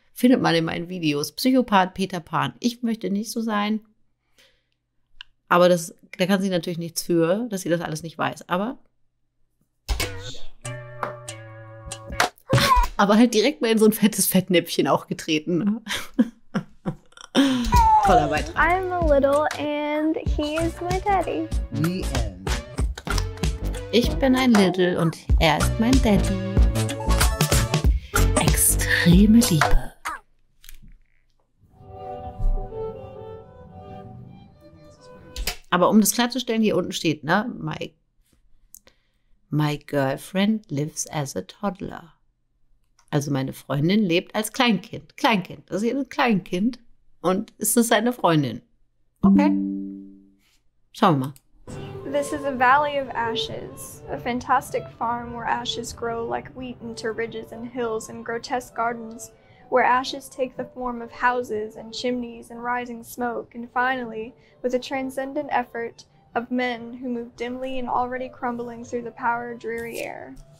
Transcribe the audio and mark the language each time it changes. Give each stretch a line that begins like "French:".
German: Findet man in meinen Videos. Psychopath Peter Pan. Ich möchte nicht so sein. Aber das, da kann sie natürlich nichts für, dass sie das alles nicht weiß. Aber halt direkt mal in so ein fettes Fettnäpfchen auch getreten. Toller Beitrag.
English: I'm a little and he is my daddy.
German: Ich bin ein Little und er ist mein Daddy. Extreme Liebe. Aber um das klarzustellen, hier unten steht, ne,
English: my girlfriend lives as a toddler.
German: Also meine Freundin lebt als Kleinkind. Kleinkind, das ist ein Kleinkind und ist das seine Freundin. Okay, schauen wir mal.
English: This is a valley of ashes, a fantastic farm where ashes grow like wheat into ridges and hills and grotesque gardens, where ashes take the form of houses and chimneys and rising smoke, and finally, with a transcendent effort of men who move dimly and already crumbling through the power dreary air.